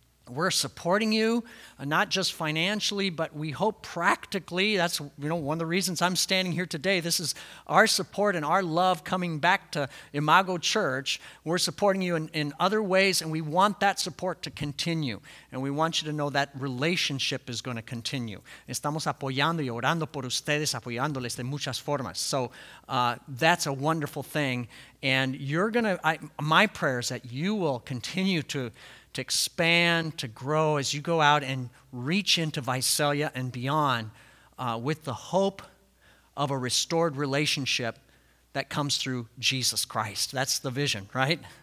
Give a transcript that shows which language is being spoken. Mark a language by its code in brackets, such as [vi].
[en] We're supporting you, not just financially, but we hope practically. That's, you know, one of the reasons I'm standing here today. This is our support and our love coming back to Imago Church. We're supporting you in other ways, and we want that support to continue. And we want you to know that relationship is going to continue. [es] Estamos apoyando y orando por ustedes, apoyándoles de muchas formas. [en] So that's a wonderful thing. And my prayer is that you will continue to expand, to grow as you go out and reach into Visalia and beyond with the hope of a restored relationship that comes through Jesus Christ. That's the vision, right?